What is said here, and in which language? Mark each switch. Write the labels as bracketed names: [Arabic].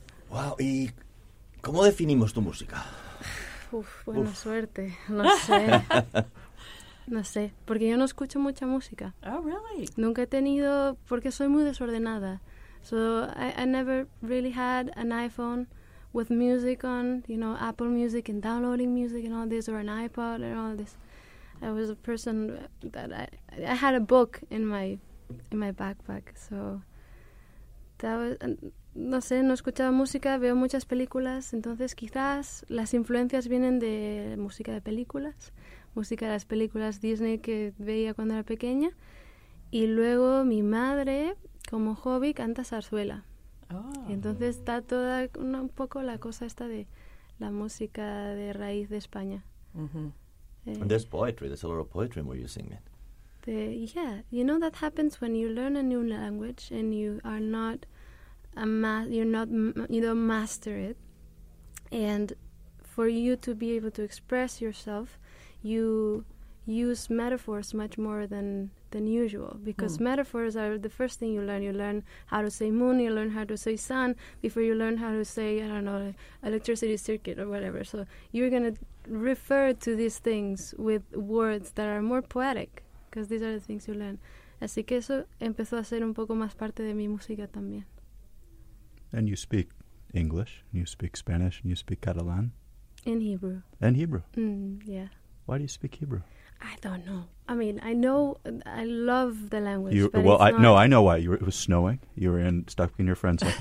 [Spanish] Wow, ¿y cómo definimos tu música? Buena suerte, no sé. No sé, porque yo no escucho mucha música. [English] Oh, really? [Spanish] Nunca he tenido, porque soy muy desordenada. [English] So I never really had an iPhone with music on, you know, Apple Music and downloading music and all this, or an iPod and all this. I was a person that I had a book in my backpack, so that was, [Spanish] no sé, no escuchaba música, veo muchas películas, entonces quizás las influencias vienen de música de películas, música de las películas Disney que veía cuando era pequeña, y luego mi madre, como hobby, canta zarzuela. Oh. Y entonces está toda un poco la cosa esta de la música de raíz de España. Mm-hmm. [English] And there's poetry, there's a lot of poetry where you sing it. Yeah, you know that happens when you learn a new language and you are not you don't master it, and for you to be able to express yourself, you use metaphors much more than usual, because metaphors are the first thing you learn. You learn how to say moon, you learn how to say sun before you learn how to say, I don't know, electricity circuit or whatever. So you're gonna refer to these things with words that are more poetic. Because these are the things you learn. [Spanish] Así que eso empezó a ser un poco más parte de mi música también. [English] And you speak English, and you speak Spanish, and you speak Catalan. In Hebrew. And Hebrew. Yeah. Why do you speak Hebrew? I don't know. I mean, I know, I love the language. I know why. It was snowing. You were stuck in your friend's house.